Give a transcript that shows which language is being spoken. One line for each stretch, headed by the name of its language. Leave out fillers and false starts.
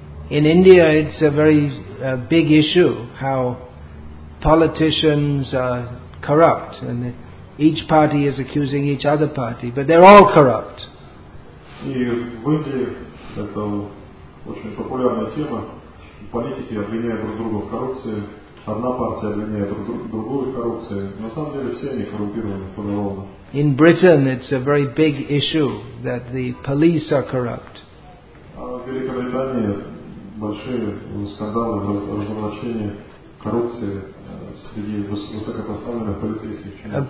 English: In India, it's a very big issue how politicians are corrupt, and each party is accusing each other party, but they're all corrupt.
Russian: И в Индии это очень популярная тема. Политики обвиняют друг друга в коррупции. Одна партия обвиняет другую в коррупции. На самом деле все они коррумпированы по-другому.
English: In Britain it's a very big issue that the police are corrupt.
Russian: А в Великобритании большие скандалы в разоблачении коррупции среди высокопоставленных полицейских.